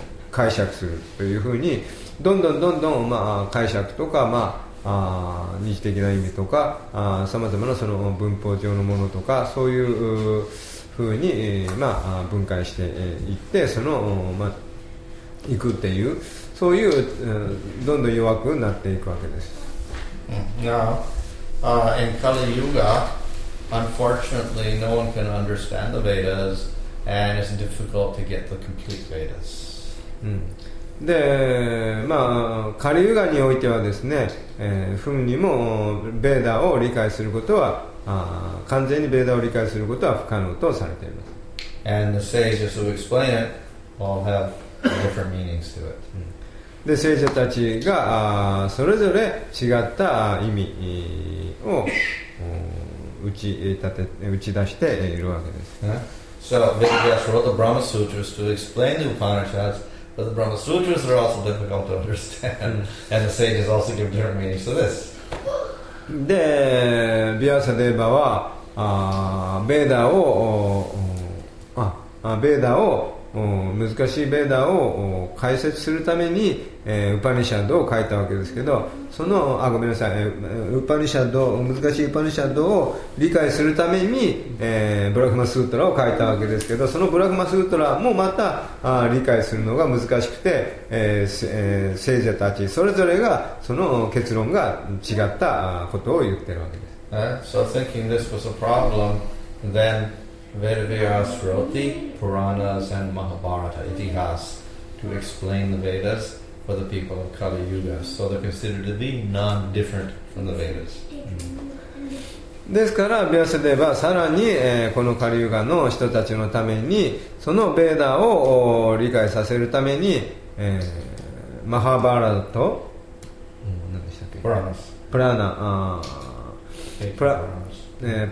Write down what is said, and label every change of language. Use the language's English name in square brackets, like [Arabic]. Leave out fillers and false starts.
[Japanese] 解釈するというふうにどんどんどんどん、まあ、解釈とか、まあ、日的な意味とかさまざまなその文法上のものとかそういうふうに、まあ、分解していってそのまあ行くっていう、そういう、どんどん弱くなっていくわけです。 [English] Now, in Kali Yuga, unfortunately, no one can understand the Vedas, and it's difficult to get the complete Vedas. [Japanese] で、まあ、カリユガにおいてはですね、フンにもベーダを理解することは、完全にベーダを理解することは不可能とされています。 [English] And the sages who explain it all have different meanings to it. [Japanese] で、聖者たちがそれぞれ違った意味を打ち出しているわけです。 [English] So, Vedas wrote the Brahma Sutras to explain the Upanishads, but the Brahma Sutras are also difficult to understand, and the sages also give different meanings to this. [Japanese] で、ビアサデーバは、ベーダを、ベーダを難しいベーダを解説するために、ウパニシャッドを書いたわけですけどそのあごめんなさい、ウパニシャッド難しいウパニシャッドを理解するために、ブラフマスートラを書いたわけですけどそのブラフマスートラもまた理解するのが難しくて、聖者たちそれぞれがその結論が違ったことを言ってるわけです、 [English] So thinking this was a problem then Vedavyas wrote the Puranas and Mahabharata, Itihas, to explain the Vedas for the people of Kali Yuga. So they're considered to be non-different from the Vedas. [Japanese] ですから、ビアセデバはさらに、このカリユガの人たちのために、そのベーダを理解させるために、マハバラと、何でしたっけ？プラナス。プラナ、プラナス。